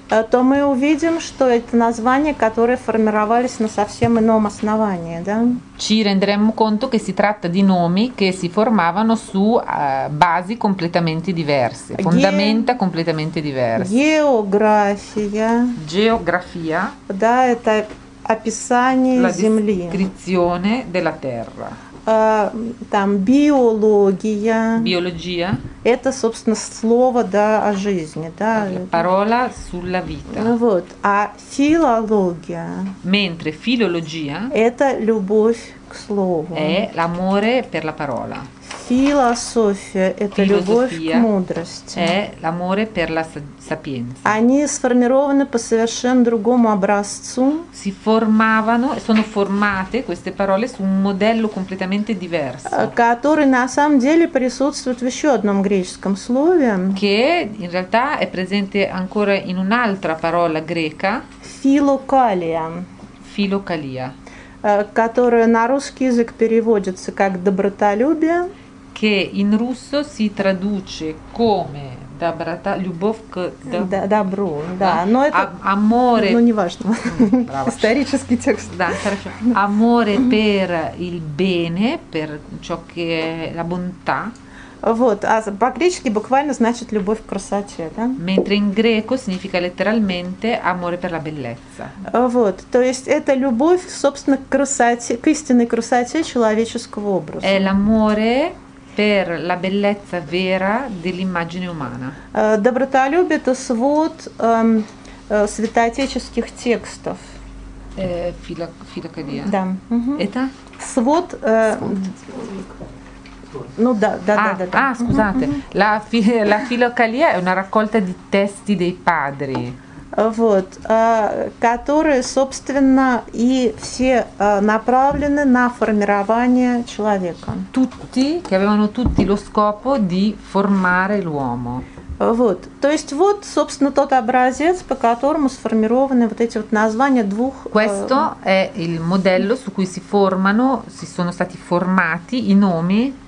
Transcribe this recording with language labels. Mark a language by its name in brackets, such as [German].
[Russian] То мы увидим, что это названия, которые формировались на совсем ином основании, да? [Italian] Ci renderemo conto che si tratta di nomi che si formavano su basi completamente diverse, fondamenta completamente diverse. Geografia. Geografia. [Russian] Да, это описание земли. [Italian] La descrizione della terra. [Russian] Там биология. [Italian] Biologia. [Russian] Это, собственно, слово, да, о жизни, да. [Italian] Parola sulla vita. [Russian] Вот. А филология. [Italian] Mentre filologia. [Russian] Это любовь к слову. [Italian] È l'amore per la parola. [Russian] Философия – это любовь к мудрости. [Italian] È l'amore per la sapienza. [Russian] Они сформированы по совершенно другому образцу. [Italian] Si formavano, sono formate queste parole su un modello completamente diverso. [Russian] Который на самом деле присутствует в еще одном греческом слове. [Italian] Che in realtà è presente ancora in un'altra parola greca. Filokalia. Filokalia. [Russian] Которая на русский язык переводится как «добротолюбие». [Italian] Che in russo si traduce come dobrota, [Russian] любовь к добру, да, но это [Italian] amore, [Russian] ну не важно, исторический текст, да, хорошо, [Italian] amore per il bene, per ciò che è la bontà. [Russian] Вот, а по-гречески буквально значит любовь к красоте, да? [Italian] Mentre in greco significa letteralmente amore per la bellezza. [Russian] Вот, то есть это любовь, собственно, к красоте, к истинной красоте человеческого образа. [Italian] È l'amore per la bellezza vera dell'immagine umana. [Russian] Добротолюбие – это свод святоотеческих текстов. Филокалия. Да. Это? Свод. Ну да, да, да, да. [Italian] А, scusate. La filocalia è una raccolta di testi dei padri. [Russian] Вот, которые, собственно, и все направлены на формирование человека. [Italian] Tutti, che avevano tutti lo scopo di formare l'uomo. [Russian] Вот, то есть вот, собственно, тот образец, по которому сформированы вот эти вот названия двух... [Italian] Questo è il modello su cui si formano, si sono stati formati i nomi...